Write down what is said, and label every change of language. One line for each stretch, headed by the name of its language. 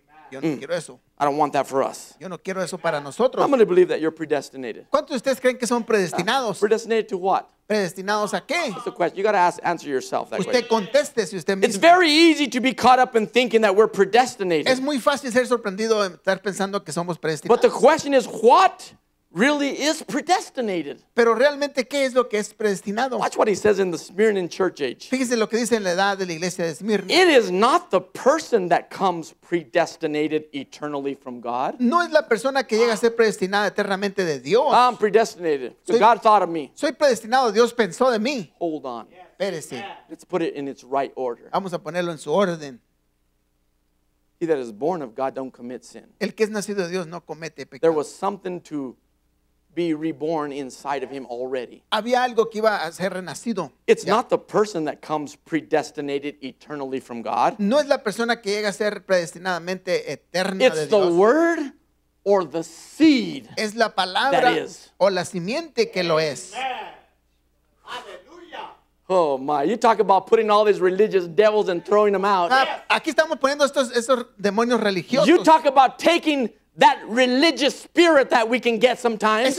Spanish: Yo no quiero eso.
English: I don't want that for us.
Spanish: Yo no quiero eso para nosotros.
English: I'm going to believe that you're predestinated.
Spanish: ¿Cuántos de ustedes creen que son predestinados?
English: Predestinated to what?
Spanish: ¿Predestinados a qué?
English: That's a question. You got to ask, answer yourself that
Spanish: usted
English: question.
Spanish: Usted conteste si usted mismo.
English: It's very easy to be caught up in thinking that we're predestinated.
Spanish: Es muy fácil ser sorprendido en estar pensando que somos predestinados.
English: But the question is what? Really is predestinated.
Spanish: Pero realmente, ¿qué es lo que es predestinado?
English: Watch what he says in the Smyrnian church age.
Spanish: Fíjese lo que dice en la edad de la iglesia de Smyrna.
English: It is not the person that comes predestinated eternally from God.
Spanish: No es la persona que llega a ser predestinada eternamente de Dios.
English: I'm predestinated. So God thought of me.
Spanish: Soy predestinado. Dios pensó de mí.
English: Hold on.
Spanish: Espérese. Yeah.
English: Let's put it in its right order.
Spanish: Vamos a ponerlo en su orden.
English: He that is born of God don't commit sin.
Spanish: El que es nacido de Dios no comete pecado.
English: There was something to be reborn inside of him already.
Spanish: Había algo que iba a ser renacido.
English: It's not the person that comes predestinated eternally from God.
Spanish: No es la persona que llega a ser predestinadamente eterna de Dios.
English: It's the word or the seed.
Spanish: Es la palabra o la simiente que lo es.
English: Oh my, you talk about putting all these religious devils and throwing them out.
Spanish: Aquí estamos poniendo estos demonios religiosos.
English: You talk about taking that religious spirit that we can get sometimes.